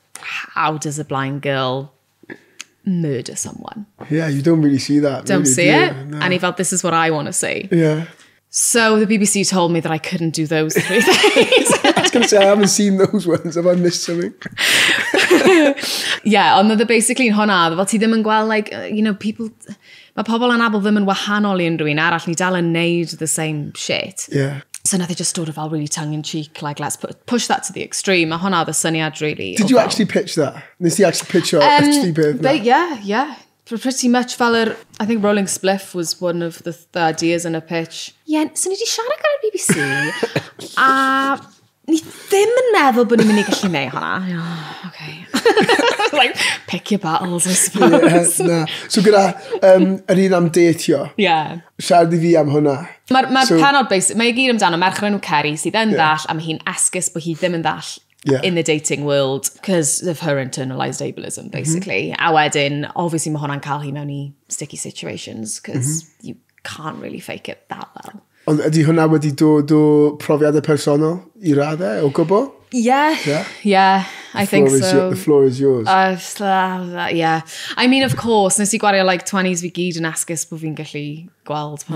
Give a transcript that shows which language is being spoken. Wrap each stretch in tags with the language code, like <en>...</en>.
<en>How does a blind girl murder someone? Yeah, you don't really see that. Don't really, see do it? No. And he felt, this is what I want to see. Yeah. So the BBC told me that I couldn't do those three things. I was going to say, I haven't seen those ones. Have I missed something?</en> <cy>Yeah, ond oedd basically yn hwnna, fel ti ddim yn gweld, like,</cy> <en>you know, people,</en> <cy>mae pobl anabl ddim yn wahanol i unrhywun arall, ni dal yn neud</cy> <en>the same shit.</en> <cy>Yeah.</cy> <en>So now they just sort of all really tongue-in-cheek, like, let's push that to the extreme.</en> <cy>Mae hwnna oedd y syniad, really.</cy> <en>Did you actually pitch that?</en> <cy>Nes ti</cy> <en>actually pitch your actually birth? But, yeah. Pretty much fel yr, I think Rolling Spliff was one of the ideas in a pitch.</en> <cy>Yeah, so ni di siarad gan y BBC, a ni ddim yn meddwl bod ni'n mynd i gallu neud hwnna.</cy> <en>Okay. Like, pick your battles, I suppose.</en> <cy>Yeah, nah. So gyda, yr un am datio.</cy> <en>Yeah.</en> <cy>Siarad i fi am hwnna. Mae'r penod, mae y gyd amdano, merch yr enw Ceri sydd yn ddall, a mae hi'n esgus bod hi ddim yn ddall</cy> <en>in the dating world because of her internalised ableism, basically.</en> <cy>Mm-hmm. A wedyn, obviously, mae hwnna'n cael hi mewn i</cy> <en>sticky situations because you can't really fake it that well.</en> <cy>Ond ydy hwnna wedi dod o profiadau personol i raddau o gwbl?</cy> <en>Yeah, I think so. The floor is yours. I mean, of course,</en> <cy>nes i gwario like 20s fi gyd yn esgus bod fi'n gallu gweld pan</cy>